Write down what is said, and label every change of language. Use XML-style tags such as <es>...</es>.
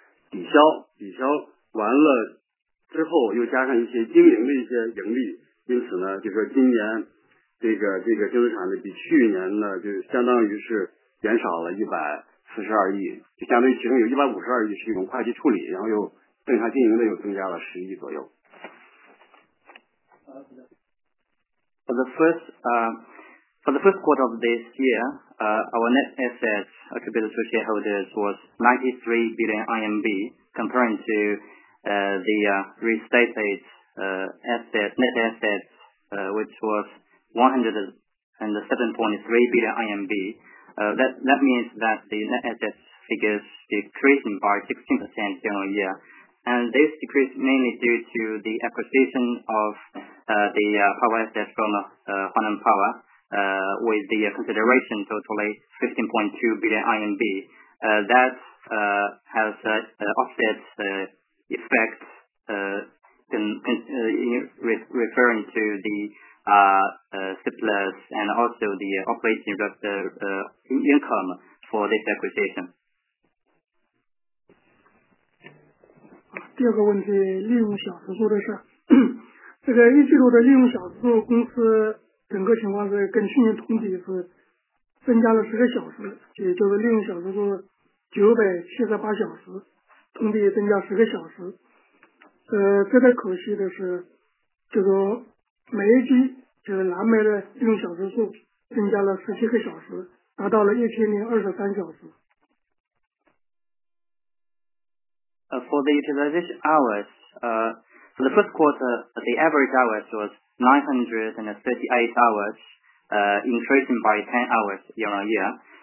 <zh>抵消，抵消完了之后又加上一些经营的一些盈利，因此呢就是说今年这个净资产呢比去年呢就相当于是减少了142亿，就相当于其中有152亿是一种会计处理，然后又正常经营的又增加了10亿左右。</zh> <en>For the first quarter of this year, our net assets attributable to shareholders was 93 billion RMB, comparing to the restated net assets, which was 107.3 billion RMB. That means that the net assets figures decreasing by 16% year-on-year. And this decreased mainly due to the acquisition of the power assets from Huaneng Power with the consideration totally 15.2 billion RMB. That has offset effect referring to the surplus and also the operating income for this acquisition.</en> <zh>第二个问题，利用小时数的事，这个一季度的利用小时数，公司整个情况是跟去年同比是增加了10个小时，也就是利用小时数978小时，同比增加10个小时。值得可惜的是，这个煤机就是蓝煤的利用小时数增加了17个小时，达到了1023小时。</zh> <en>For the utilization hours, for the first quarter, the average hours was 938 hours, increasing by 10 hours year on year.</en>